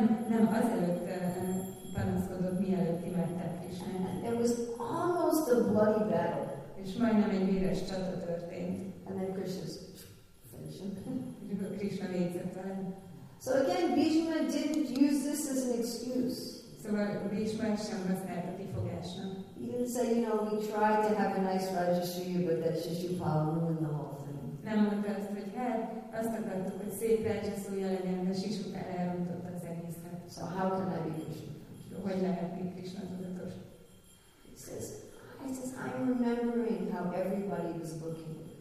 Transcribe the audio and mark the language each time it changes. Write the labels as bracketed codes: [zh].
[hu] Nem azelőtt panaszkodott, mielőtt imádták Krishnát. [en] It was almost a bloody battle. [hu] És majdnem egy véres csata történt. [en] And then Krishna finished. [hu] Krishna végzett vele. [en] So again, Bhishma didn't use this as an excuse. [hu] So Bhishma sem használta kifogásra. [en] He didn't say, you know, we tried to have a nice Rajasuya, but that Shishupal ruined the whole thing. [hu] Nem mondta azt, hogy hát, azt akartuk, hogy szép Rajasuya legyen, de Shishupal elrontott az egészet. [en] So how can I be Krishna? [hu] Hogy lehet még Krishna tudatos? [en] He says, I'm remembering how everybody was looking.